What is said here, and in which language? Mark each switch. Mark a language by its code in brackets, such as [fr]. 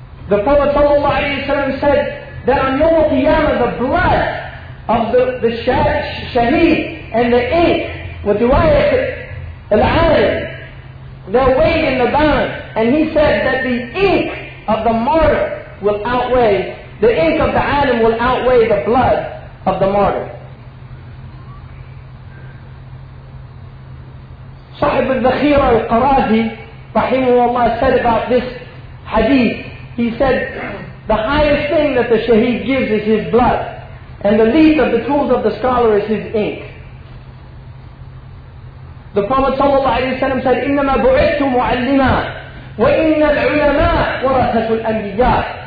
[en] The Prophet sallallahu alayhi wa sallam said that on Yawm al-Qiyamah the blood of the shaheed and the ink, what do I say, al-alim, their weight in the balance. And he said that the ink of the martyr will outweigh, the ink of the alim will outweigh the blood of the martyr. [ar] صاحب الذخيرة القرازي رحمه الله [en] said about this hadith, he said, the highest thing that the shaheed gives is his blood, and the least of the tools of the scholar is his ink. The Prophet sallallahu alaihi wasallam said, [ar] إِنَّمَا بُعِثْتُ مُعَلِّمًا وَإِنَّ الْعُلَمَا وَرَثَةُ الْأَنْبِيَاء.